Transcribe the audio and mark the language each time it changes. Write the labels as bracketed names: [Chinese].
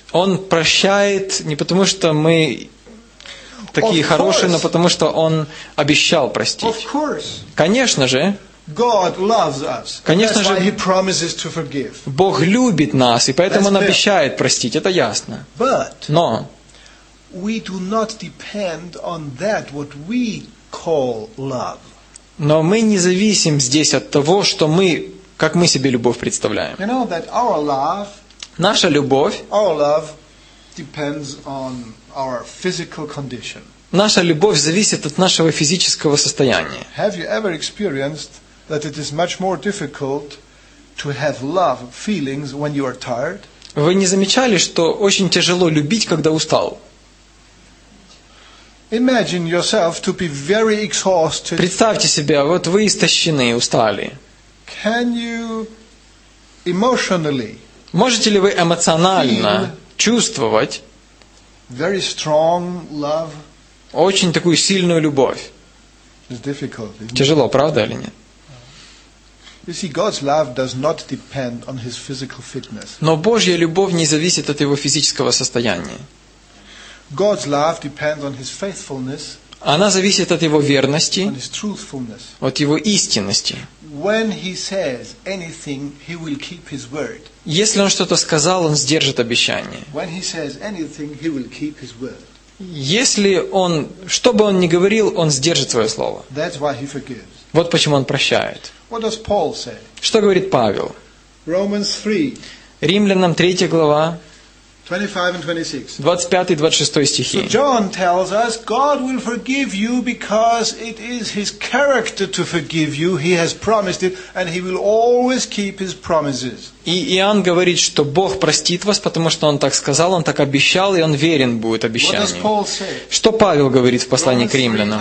[Russian] Он прощает не потому что мы такие хорошие, но потому что он обещал простить. [English] Of course. [Russian] Конечно же. [English] God loves us. [Russian] Конечно же. [English] That's why he promises to forgive. [Russian] Бог любит нас и поэтому он обещает простить. Это ясно. [English] But. [Russian] Но. [English] We do not depend on that what we call love. [Russian] Но мы не зависим здесь от того, что мы, как мы себе любовь представляем. [English] You know that our love. [Russian] Наша любовь. [English] Our love depends on our physical condition. [Russian] Наша любовь зависит от нашего физического состояния. [English] Have you ever experienced that it is much more difficult to have love feelings when you are tired? [Russian] Вы не замечали, что очень тяжело любить, когда устал? [English] Imagine yourself to be very exhausted. [Russian] Представьте себя, вот вы истощены, устали. [English] Can you emotionally [Russian] можете ли вы эмоционально чувствовать [English] very strong love [Russian] очень такую сильную любовь? [English] It's difficult, isn't it? [Russian] Тяжело, правда или нет? [English] You see, God's love does not depend on his physical fitness. [Russian] Но Божья любовь не зависит от его физического состояния. [English] God's love depends on his faithfulness. [Russian] Она зависит от его верности, [English] on his truthfulness. [Russian] От его истинности. [English] When he says anything, he will keep his word. [Russian] Если он что-то сказал, он сдержит обещание. [English] When he says anything, he will keep his word. [Russian] Если он, что бы он ни говорил, он сдержит свое слово. [English] That's why he forgives. [Russian] Вот почему он прощает. [English] What does Paul say? [Russian] Что говорит Павел? [English] Romans 3. [Russian] Римлянам 3 глава. [English] 25 and 26. [Russian] 25 и 26 стихи. [English] So John tells us God will forgive you because it is his character to forgive you. He has promised it and he will always keep his promises. [Russian] И Иоанн говорит, что Бог простит вас, потому что он так сказал, он так обещал и он верен будет обещанию. [English] What does Paul say? [Russian] Что Павел говорит в послании к Римлянам?